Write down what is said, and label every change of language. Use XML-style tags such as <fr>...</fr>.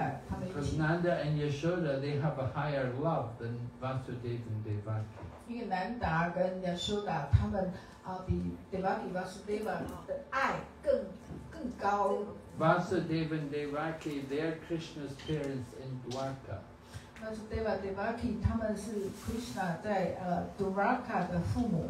<zh>那个孩童的时光只有跟南达大君跟亚修达他们一起。Nanda and Yashoda,</zh> <en>they have a higher love than Vasudeva and Devaki.</en> <zh>因为南达跟亚修达他们比Vasudeva的爱更高。</zh> <en>Vasudeva and Devaki, they are Krishna's parents in Dwarka.</en> <zh>Vasudeva and Devaki, 他们是 Krishna 在Dwarka 的父母。</zh>